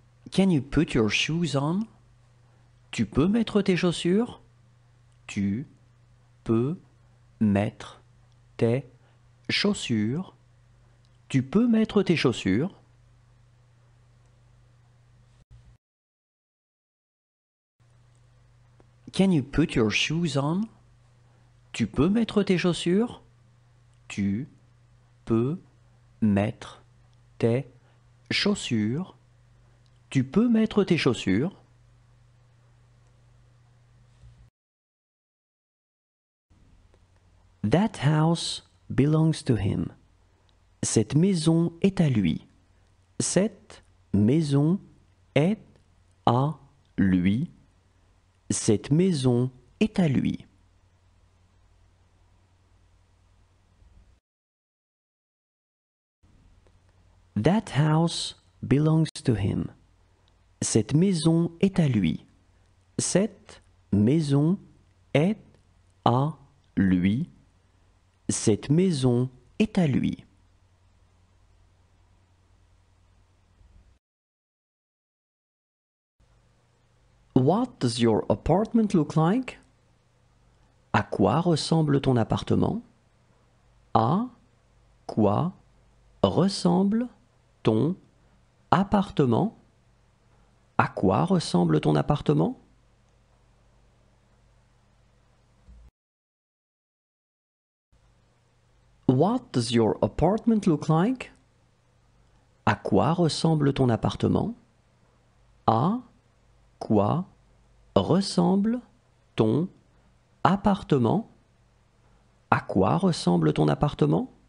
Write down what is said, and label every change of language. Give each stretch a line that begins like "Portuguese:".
English: Can you put your shoes on?
French: Tu peux mettre tes chaussures? Tu peux mettre tes chaussures? Tu peux mettre tes chaussures?
English: Can you put your shoes on?
French: Tu peux mettre tes chaussures? Tu peux mettre tes chaussures? Tu peux mettre tes chaussures?
English: That house belongs to him.
French: Cette maison est à lui. Cette maison est à lui. Cette maison est à lui.
English: That house belongs to him.
French: Cette maison est à lui. Cette maison est à lui. Cette maison est à lui.
English: What does your apartment look like?
French: À quoi ressemble ton appartement? À quoi ressemble ton appartement? À quoi ressemble ton appartement?
English: What does your apartment look like?
French: À quoi ressemble ton appartement? À quoi ressemble ton appartement? À quoi ressemble ton appartement?